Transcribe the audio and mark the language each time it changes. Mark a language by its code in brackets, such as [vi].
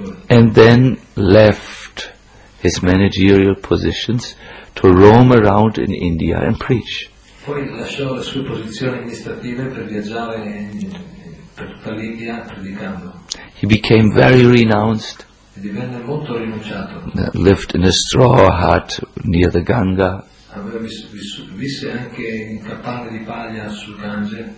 [en] And then left his managerial positions to roam around in India and preach. [it] Poi lasciò le sue posizioni amministrative per viaggiare per tutta l'India predicando. [en] He became very renounced. [it] E divenne molto rinunciato. [en] Lived in a straw hut near the Ganga. [it] Aveva visse anche in capanne di paglia sul Gange.